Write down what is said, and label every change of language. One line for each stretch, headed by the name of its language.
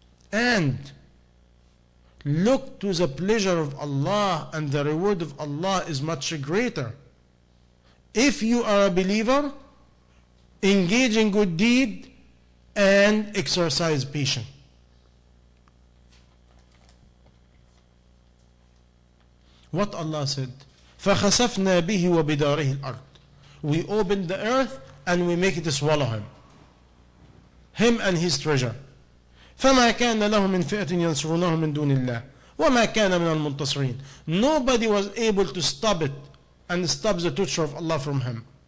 English: And look to the pleasure of Allah, and the reward of Allah is much greater. If you are a believer, engage in good deed and exercise patience. What Allah said,
Arabic: فَخَسَفْنَا بِهِ وَبِدَارِهِ الْأَرْضِ.
English: We open the earth and we make it swallow him. Him and his treasure.
Arabic: فَمَا كَانَ لَهُ مِنْ فِئَةٍ يَنْصُرُونَهُ مِنْ دُونِ اللَّهِ وَمَا كَانَ مِنَ الْمُنْتَصِرِينَ.
English: Nobody was able to stop it and stop the torture of Allah from him.